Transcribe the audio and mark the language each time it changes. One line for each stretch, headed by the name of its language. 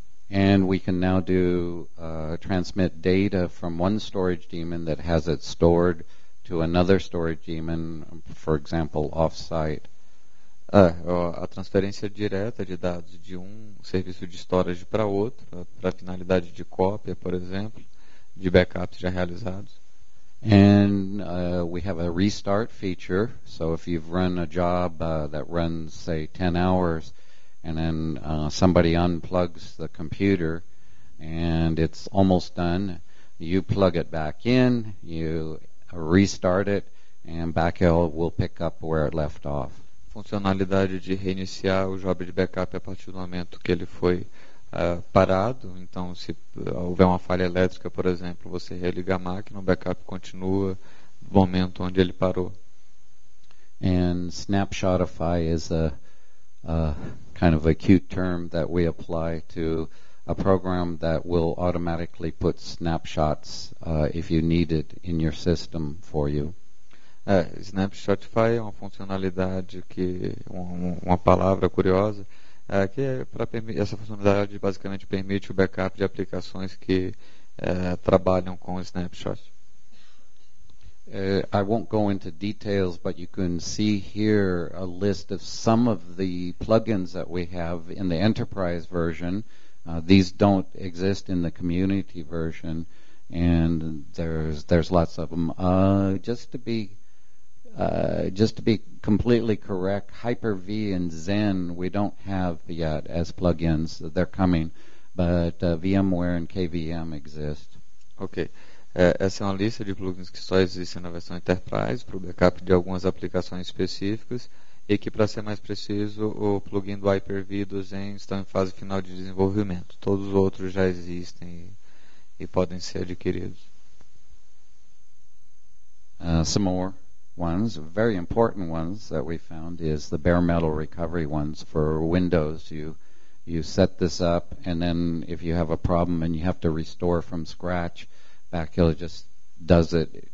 English: And we can now do transmit data from one storage daemon that has it stored to another storage daemon, for example, off-site.
Portuguese: A transferência direta de dados de um serviço de storage para outro, para finalidade de cópia, por exemplo, de backups já realizados.
English: And we have a restart feature, so if you've run a job that runs, say, 10 hours, and then somebody unplugs the computer, and it's almost done, you plug it back in, you restart it, and Bacula will pick up where it left off.
Portuguese: Funcionalidade de reiniciar o job de backup a partir do momento que ele foi parado. Então, se houver uma falha elétrica, por exemplo, você religa a máquina, o backup continua no momento onde ele parou.
English: And snapshotify is a kind of a cute term that we apply to a program that will automatically put snapshots if you need it in your system for you.
Portuguese: Snapshotify é uma funcionalidade que uma palavra curiosa que essa funcionalidade basicamente permite o backup de aplicações que trabalham com snapshots.
English: I won't go into details, but you can see here a list of some of the plugins that we have in the enterprise version. These don't exist in the community version, and there's lots of them. Just to be completely correct, Hyper-V and Xen we don't have yet as plugins. They're coming, but VMware and KVM exist. Okay.
Portuguese: Essa é uma lista de plugins que só existem na versão Enterprise para o backup de algumas aplicações específicas, e que, para ser mais preciso, o plugin do Hyper-V e do Xen estão em fase final de desenvolvimento. Todos os outros já existem e podem ser adquiridos.
English: Some more ones, very important ones that we found is the bare metal recovery ones for Windows. You set this up, and then if you have a problem and you have to restore from scratch, Bacula just does it.